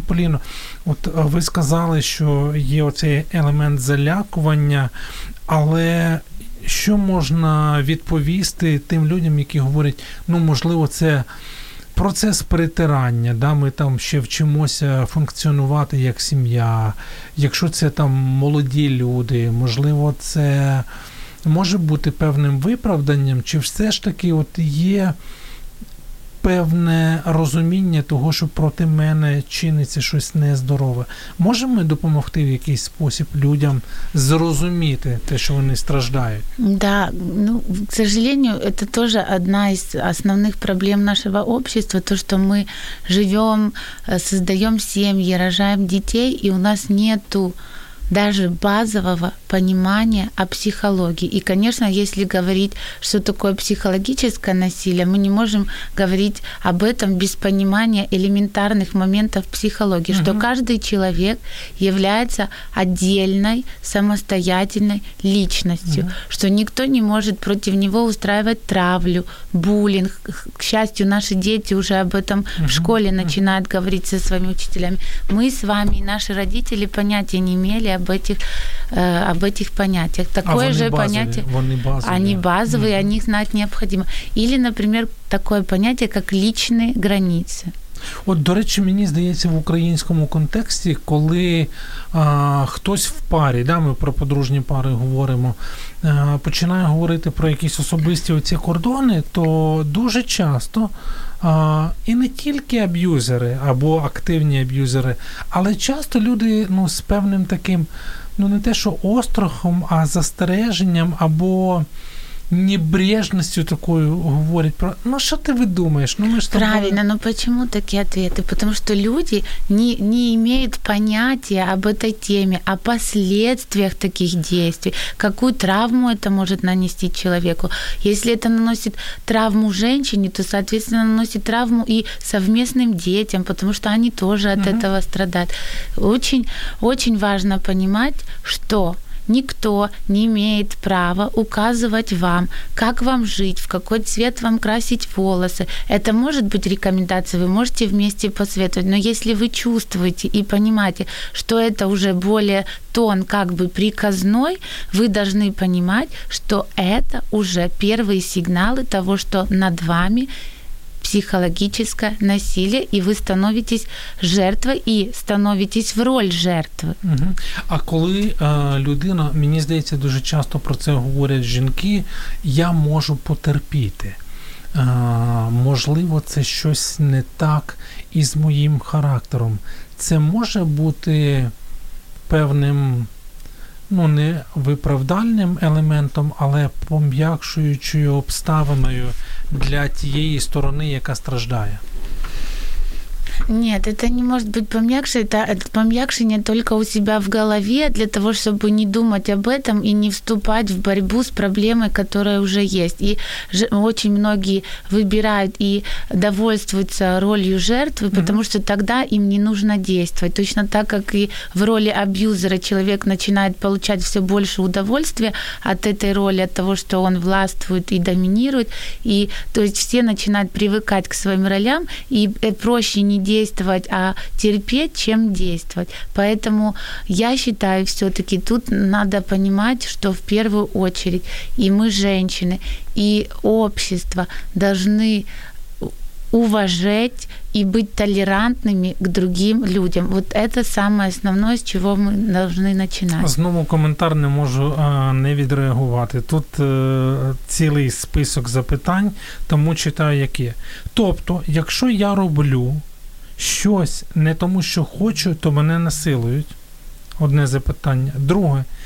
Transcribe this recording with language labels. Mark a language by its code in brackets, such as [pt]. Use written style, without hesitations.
[uk] Поліно, от ви сказали, що є оцей елемент залякування, але що можна відповісти тим людям, які говорять, ну, можливо, це процес притирання, да, ми там ще вчимося функціонувати як сім'я, якщо це там молоді люди, можливо, це може бути певним виправданням, чи все ж таки от є певне розуміння того, що проти мене чиниться щось нездорове. Можемо ми допомогти в якийсь спосіб людям зрозуміти те, що вони страждають? [ru] Да, ну, к сожалению, это тоже одна из основных проблем нашего общества, то, что мы живем, создаем семьи, рожаем детей, и у нас нету даже базового понимания о психологии. И, конечно, если говорить, что такое психологическое насилие, мы не можем говорить об этом без понимания элементарных моментов психологии, что каждый человек является отдельной, самостоятельной личностью, что никто не может против него устраивать травлю, буллинг. К счастью, наши дети уже об этом в школе начинают говорить со своими учителями. Мы с вами, наши родители, понятия не имели об этих понятиях. Такое же понятие... Они базовые, о них знать необходимо. Или, например, такое понятие, как личные границы. [uk] От, до речі, мені здається, в українському контексті, коли хтось в парі, да, ми про подружні пари говоримо, починає говорити про якісь особисті оці кордони, то дуже часто і не тільки аб'юзери або активні аб'юзери, але часто люди ну, з певним таким, ну не те, що острахом, а застереженням або [ru] небрежностью такую говорить про... Ну, что ты выдумаешь? Ну, правильно, но почему такие ответы? Потому что люди не имеют понятия об этой теме, о последствиях таких действий, какую травму это может нанести человеку. Если это наносит травму женщине, то, соответственно, наносит травму и совместным детям, потому что они тоже от этого страдают. Очень, очень важно понимать, что... Никто не имеет права указывать вам, как вам жить, в какой цвет вам красить волосы. Это может быть рекомендация, вы можете вместе посоветовать, но если вы чувствуете и понимаете, что это уже более тон как бы приказной, вы должны понимать, что это уже первые сигналы того, что над вами психологическое насилие, и вы становитесь жертвой и становитесь в роль жертвы. [uk] А коли людина, мені здається, дуже часто про це говорять жінки, я можу потерпіти. Можливо, це щось не так із моїм характером. Це може бути певним, ну, не виправдальним елементом, але пом'якшуючою обставиною для тієї сторони, яка страждає. [ru] Нет, это не может быть помягче, это помягчение только у себя в голове для того, чтобы не думать об этом и не вступать в борьбу с проблемой, которая уже есть. И очень многие выбирают и довольствуются ролью жертвы, потому что тогда им не нужно действовать. Точно так, как и в роли абьюзера человек начинает получать все больше удовольствия от этой роли, от того, что он властвует и доминирует. И то есть все начинают привыкать к своим ролям, и проще не действовать, а терпеть, чем действовать. Поэтому я считаю, все-таки тут надо понимать, что в первую очередь и мы, женщины, и общество должны уважать и быть толерантными к другим людям. Вот это самое основное, с чего мы должны начинать. [uk] Знову коментар не можу не відреагувати. Тут цілий список запитань, тому читаю, які. Тобто, якщо я роблю щось не тому, що хочу, то мене насилують. Одне запитання. Друге.